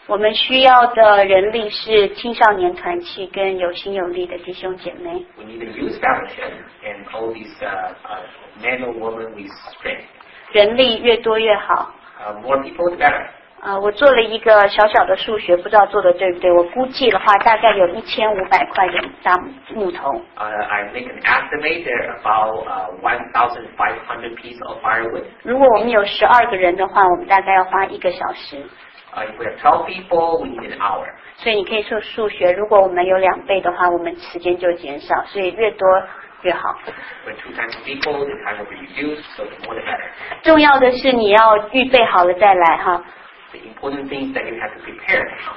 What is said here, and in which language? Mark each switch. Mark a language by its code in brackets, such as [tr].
[zh] 我们需要的人力是青少年团契跟有心有力的弟兄姐妹。 [en] We need a youth fellowship and all these men or women with strength. [zh] 人力越多越好。 [en] More people the better. [zh] 我做了一个小小的数学，不知道做的对不对。我估计的话，大概有1500块的大木头。 [en] I make an estimate about 1,500 pieces of firewood. [zh] 如果我们有12个人的话，我们大概要花一个小时。 [en] If we have 12 people, we need an hour. [zh] 所以你可以做数学，如果我们有两倍的话，我们时间就减少，所以越多越好。 [en] When 2 times people, the time will be reduced, so the more the better. [zh] 重要的是你要预备好了再来哈。 [en] The important thing is that you have to prepare.